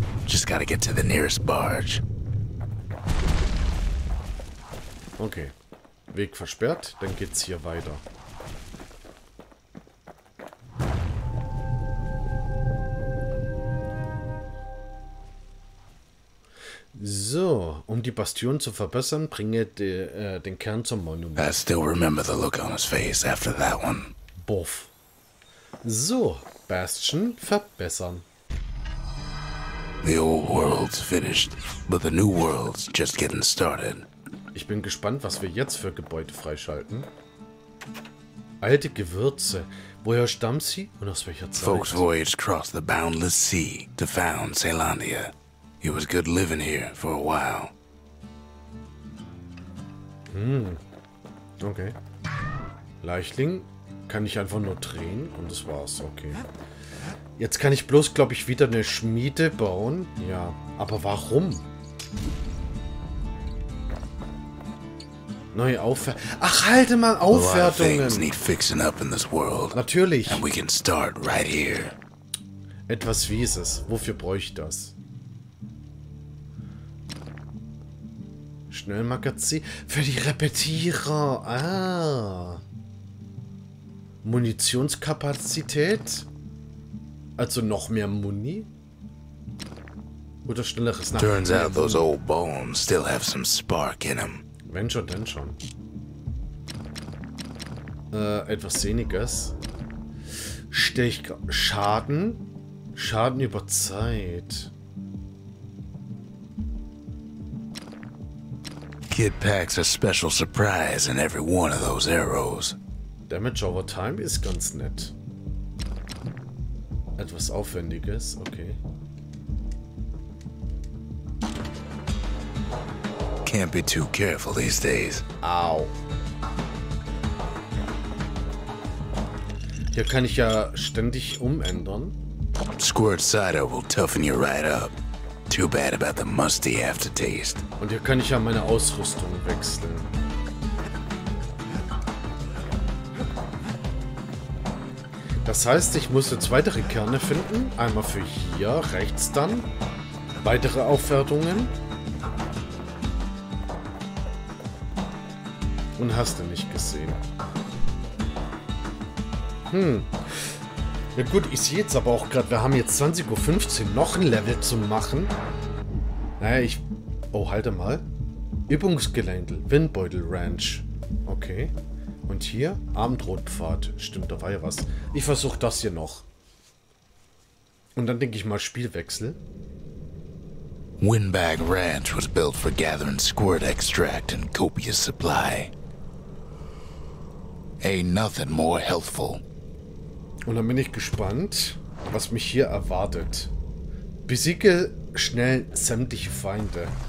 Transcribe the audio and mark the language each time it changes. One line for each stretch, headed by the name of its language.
English: Just gotta get to the nearest barge. Okay.
German: Weg versperrt, dann geht's hier weiter. So, um die Bastion zu verbessern, bringe den Kern zum Monument.
English: I still remember the look on his face after that one.
German: Boff. So, Bastion verbessern.
English: The old world's finished, but the new world's just getting started.
German: Ich bin gespannt, was wir jetzt für Gebäude freischalten. Alte Gewürze. Woher stammt sie und aus welcher Zeit?
English: Folks voyaged across the boundless sea to found Ceylandia. It was good living here for a while. Okay.
German: Leichtling kann ich einfach nur drehen und das war's, okay. Jetzt kann ich bloß, glaube ich, wieder eine Schmiede bauen. Ja, aber warum? Neue Aufwertungen. Ach, halte mal, Aufwertungen.
English: A lot of things need fixing up in this world.
German: Natürlich.
English: And we can start right here.
German: Etwas Wieses. Wofür brauche ich das? Schnellmagazin. Für die Repetierer. Ah. Munitionskapazität. Also noch mehr Muni? Oder schnelleres Nachdenken?
English: Turns out those old bones still have some spark in them.
German: Wenn schon, denn schon. Etwas Sehniges. Schaden? Schaden über Zeit.
English: Kid packs a special surprise in every one of those arrows. Damage over time
German: ist ganz nett. Etwas Aufwendiges, okay.
English: Can't be too careful these days. Au.
German: Hier kann ich ja ständig umändern.
English: Squirt cider will toughen you right up. Too bad about the musty aftertaste.
German: Und hier kann ich ja meine Ausrüstung wechseln. Das heißt, ich muss jetzt weitere Kerne finden. Einmal für hier, rechts dann. Weitere Aufwertungen. Und hast du nicht gesehen. Ja gut, ich sehe jetzt aber auch gerade, wir haben jetzt 20.15 Uhr noch ein Level zu machen. Naja, ich... Oh, halte mal. Übungsgeländel, Windbeutel Ranch. Okay. Und hier, Abendrotpfad. Stimmt, da war ja was. Ich versuche das hier noch. Und dann denke ich mal Spielwechsel.
English: Windbag Ranch was built for gathering squirt extract and copious supply. Ain't nothing more healthful.
German: Und dann bin ich gespannt. was mich hier erwartet. Besiege schnell sämtliche Feinde.